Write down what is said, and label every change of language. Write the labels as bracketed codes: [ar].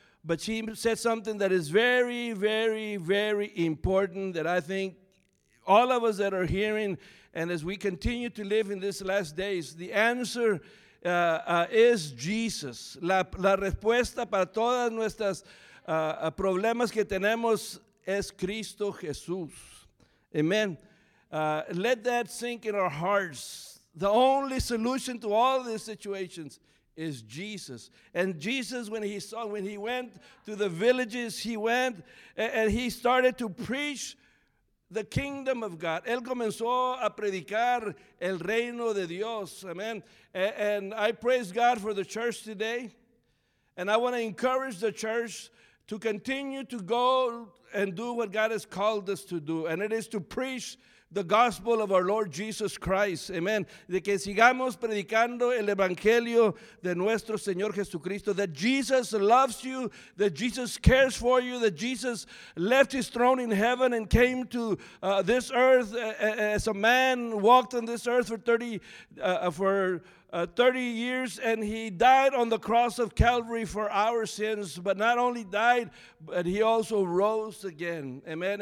[en] But she said something that is very, very, very important that I think all of us that are hearing, and as we continue to live in these last days, the answer is Jesus. [es] La respuesta para todas nuestras problemas que tenemos es Cristo Jesús. [en] Amen. Let that sink in our hearts. The only solution to all these situations is Jesus. And Jesus, when he went to the villages, he went and he started to preach the kingdom of God. [es] Él comenzó a predicar el reino de Dios. Amen. [en] And I praise God for the church today. And I want to encourage the church to continue to go and do what God has called us to do. And it is to preach the gospel of our Lord Jesus Christ. Amen. [es] De que sigamos predicando el evangelio de nuestro Señor Jesucristo. [en] That Jesus loves you. That Jesus cares for you. That Jesus left his throne in heaven and came to this earth as a man, walked on this earth for 30 years, and he died on the cross of Calvary for our sins, but not only died, but he also rose again. Amen.